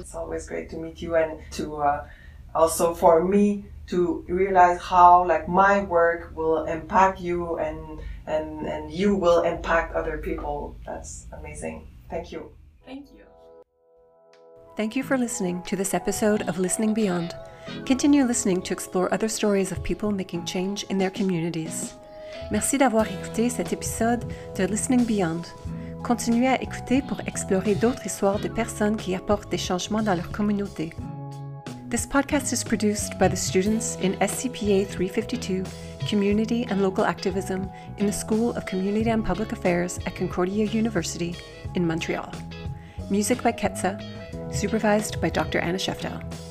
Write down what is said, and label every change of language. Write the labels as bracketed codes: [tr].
[en] It's always great to meet you, and to also for me to realize how like my work will impact you, and you will impact other people. That's amazing. Thank you. Thank you. Thank you for listening to this episode of Listening Beyond. Continue listening to explore other stories of people making change in their communities. [fr] Merci d'avoir écouté cet épisode de Listening Beyond. Continuez à écouter pour explorer d'autres histoires de personnes qui apportent des changements dans leur communauté. [en] This podcast is produced by the students in SCPA 352, Community and Local Activism, in the School of Community and Public Affairs at Concordia University in Montreal. Music by Ketsa, supervised by Dr. Anna Sheftel.